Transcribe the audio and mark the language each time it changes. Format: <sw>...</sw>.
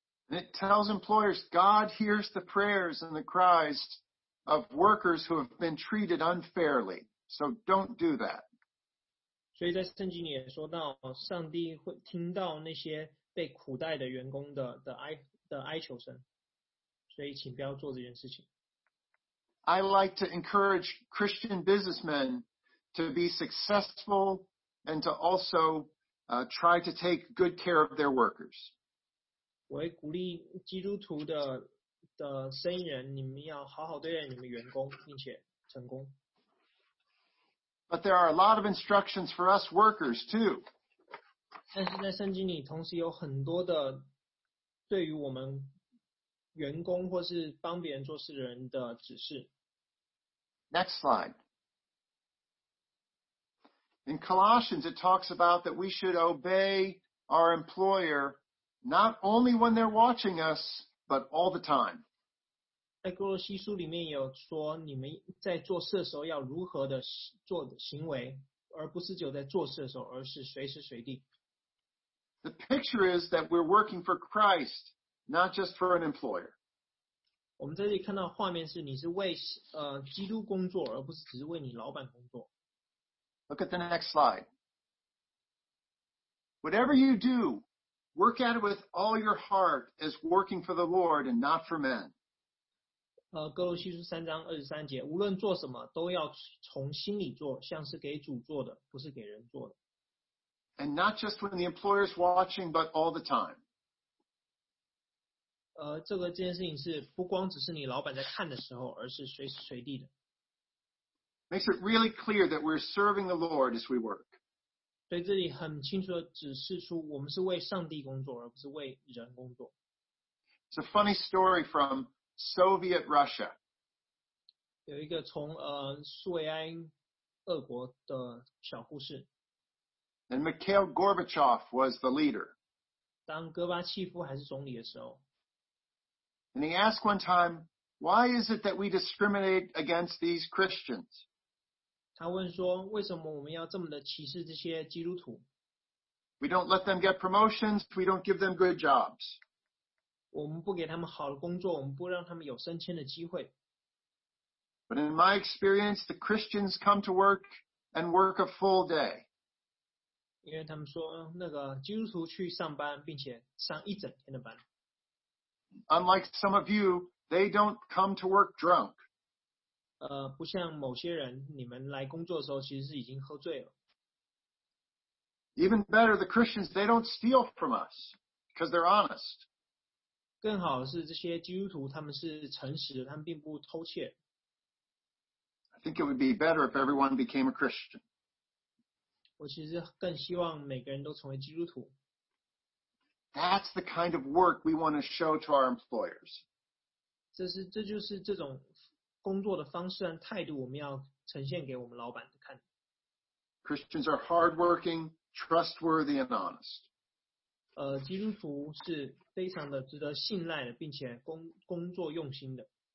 <en>It tells employers God hears the prayers and the cries of workers who have been treated unfairly. So don't do that.</en> <zh>所以在圣经里也说到，上帝会听到那些被苦待的员工的哀求声。所以请不要做这件事情。</zh> <en>I like to encourage Christian businessmen to be successful and to also try to take good care of their workers.</en> <zh>我会鼓励基督徒的生意人，你们要好好对待你们员工，并且成功。</zh> <en>But there are a lot of instructions for us workers too.</en> <zh>但是在圣经里，同时有很多的对于我们员工或是帮别人做事的人的指示。</zh> <en>Next slide. In Colossians, it talks about that we should obey our employer. Not only when they're watching us, but all the time.</en> <zh>在哥罗西书里面有说，你们在做事的时候要如何的做的行为，而不是只有在做事的时候，而是随时随地。</zh> <en>The picture is that we're working for Christ, not just for an employer.</en> <zh>我们在这里看到画面是，你是为基督工作，而不是只是为你老板工作。</zh> <en>Look at the next slide. Whatever you do. Work at it with all your heart as working for the Lord and not for men.</en> <zh>哥罗西书三章二十三节，无论做什么都要从心里做，像是给主做的，不是给人做的。</zh> <en>And not just when the employer is watching, but all the time.</en> <zh>这件事情是不光只是你老板在看的时候，而是随时随地的。</zh> <en>Makes it really clear that we're serving the Lord as we work.</en> <zh>所以这里很清楚的指示出，我们是为上帝工作，而不是为人工作。</zh> <en>It's a funny story from Soviet Russia.</en> <zh>有一个从苏维埃俄国的小故事。</zh> <en>And Mikhail Gorbachev was the leader.</en> <zh>当戈巴契夫还是总理的时候。</zh> <en>And he asked one time, "Why is it that we discriminate against these Christians?"</en> <zh>他问说，为什么我们要这么的歧视这些基督徒？</zh> <en>We don't let them get promotions. We don't give them good jobs.</en> <zh>我们不给他们好的工作，我们不让他们有升迁的机会。</zh> <en>But in my experience, the Christians come to work and work a full day.</en> <zh>因为他们说，那个基督徒去上班，并且上一整天的班。</zh> <en>unlike some of you, they don't come to work drunk.</en> <zh>不像某些人，你们来工作的时候其实是已经喝醉了。</zh> <en>Even better, the Christians, they don't steal from us because they're honest.</en> <zh>更好的是这些基督徒他们是诚实的，他们并不偷窃。</zh> <en>I think it would be better if everyone became a Christian.</en> <zh>我其实更希望每个人都成为基督徒。</zh> <en>That's the kind of work we want to show to our employers.</en> <zh>这就是这种工作的方式和态度我们要呈现给我们老板看。</zh> <en>Christians are hardworking, trustworthy, and honest.</en> <zh>基督徒是非常的值得信赖的，并且工作用心的。</zh>